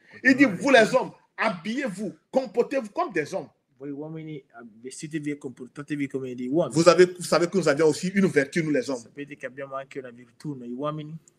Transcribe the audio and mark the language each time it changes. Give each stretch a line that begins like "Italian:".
French: Il dit, vous les hommes, habillez-vous, comportez-vous comme des hommes.
Italian: Voi uomini, vestitevi e comportatevi come dei uomini.
French: Vous savez que nous avons aussi une vertu, nous les hommes.
Italian: Sapete che abbiamo anche una virtù noi uomini.